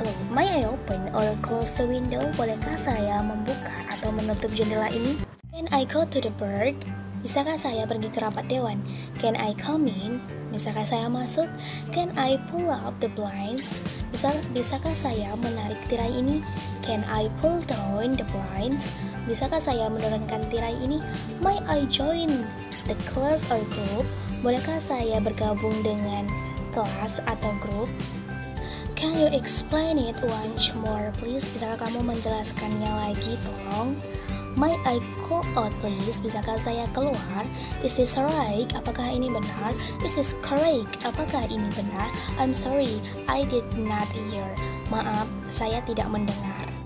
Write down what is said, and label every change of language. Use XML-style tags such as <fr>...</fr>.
<en>May I open or close the window?</en> <id>Bolehkah saya membuka atau menutup jendela ini?</id> <en>Can I go to the board?</en> <id>Bisakah saya pergi ke rapat dewan?</id> <en>Can I come in?</en> <id>Bisakah saya masuk?</id> <en>Can I pull up the blinds?</en> <id>Bisakah saya menarik tirai ini?</id> <en>Can I pull down the blinds?</en> <id>Bisakah saya menurunkan tirai ini?</id> <en>May I join the class or group?</en> <id>Bolehkah saya bergabung dengan kelas atau grup?</id> <en>Can you explain it once more, please?</en> <id>Bisakah kamu menjelaskannya lagi, tolong?</id> <en>May I go out, please?</en> <id>Bisakah saya keluar?</id> <en>Is this right?</en> <id>Apakah ini benar?</id> <en>Is this correct?</en> <id>Apakah ini benar?</id> <en>I'm sorry, I did not hear.</en> <id>Maaf, saya tidak mendengar.</id>